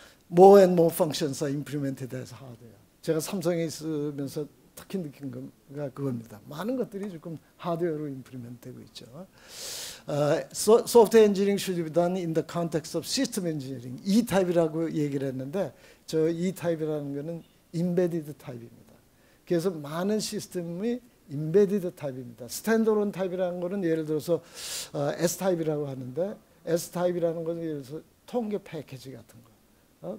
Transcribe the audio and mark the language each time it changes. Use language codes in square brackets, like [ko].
[en] More and more functions are implemented as hardware. [ko] 제가 삼성에 있으면서 특히 느낀 건가 그겁니다. 많은 것들이 지금 하드웨어로 임플리멘트 되고 있죠. [en] Software engineering should be done in the context of system engineering. [ko] E-type이라고 얘기를 했는데, 저 E-type이라는 것은 embedded type입니다. 그래서 많은 시스템이 embedded type입니다. Standalone type이라는 것은 예를 들어서 S-type이라고 하는데, S-type이라는 것은 예를 들어서 통계 패키지 같은 거.